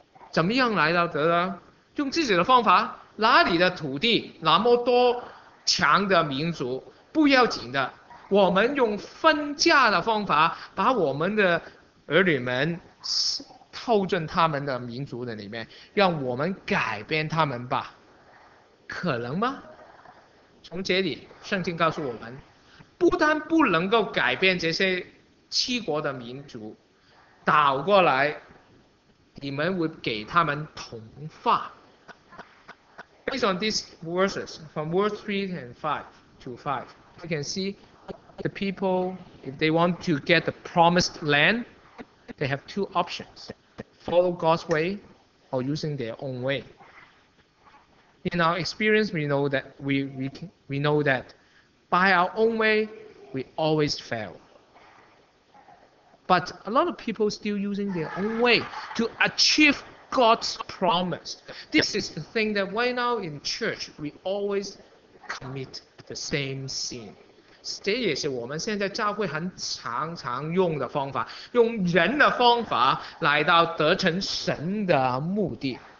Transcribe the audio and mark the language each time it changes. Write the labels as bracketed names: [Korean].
[Chinese] 怎么样来到得呢？用自己的方法，哪里的土地那么多强的民族不要紧的，我们用分家的方法把我们的儿女们套进他们的民族的里面，让我们改变他们吧，可能吗？从这里圣经告诉我们，不但不能够改变这些七国的民族，倒过来，你们会给他们同化。 [English] Based on these verses, from verse 3 and 5 to 5, we can see the people, if they want to get the promised land, they have two options: follow God's way or using their own way. In our experience, we know that we know that by our own way, we always fail. But a lot of people still using their own way to achieve God's promise. This is the thing that right now in church we always commit the same sin。 [Chinese] 这也是我们现在教会很常常用的方法，用人的方法来到得成神的目的。